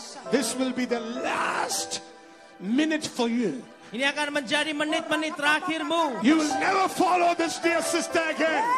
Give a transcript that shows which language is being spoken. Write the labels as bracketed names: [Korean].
[English] This will be the last minute for you. [Indonesian] Ini akan menjadi menit-menit terakhirmu. [English] You will never follow this dear sister again.